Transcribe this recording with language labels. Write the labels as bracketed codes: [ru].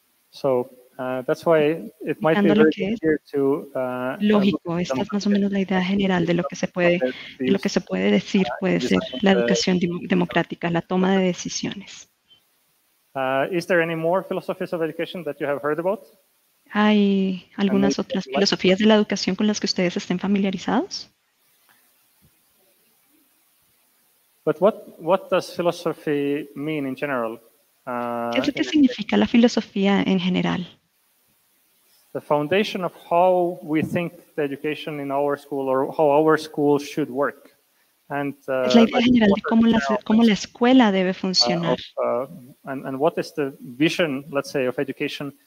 [en] So that's why it might be very clear to. [es] Lógico, esta es más o menos la idea general de lo que se puede decir puede ser la educación democrática, la toma de decisiones. [en] Is there any more philosophies of education that you have heard about? [es] ¿Hay algunas otras filosofías de la educación con las que ustedes estén familiarizados? [en] But what does philosophy mean in general? [es] ¿Qué es lo que significa la filosofía en general? [en] the foundation of how we think the education in our school or how our school should work. And, [es] es la idea general de cómo cómo la escuela debe funcionar. [en] And what is the vision, let's say, of education